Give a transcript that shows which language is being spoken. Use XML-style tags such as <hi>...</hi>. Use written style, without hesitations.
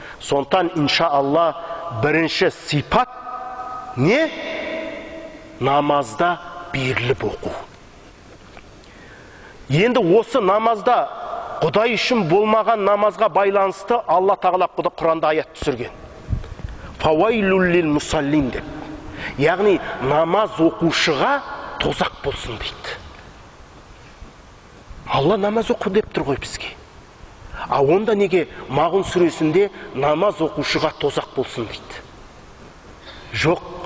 <kk>Сондықтан иншаалла бірінші сипат не? Намазда беріліп оқу. Енді осы намазда Құдай үшін болмаған намазға байланысты Алла тағала Құранда аят түсірген.</kk> <ar>Фауайлул лил мусаллин деп.</ar> <kk>Яғни намаз оқушыға тозақ болсын дейді. Алла намаз оқу деп тұр ғой бізге. А онда неге Мағун сүресінде намаз оқушыға тозақ болсын дейді? Жоқ.</kk>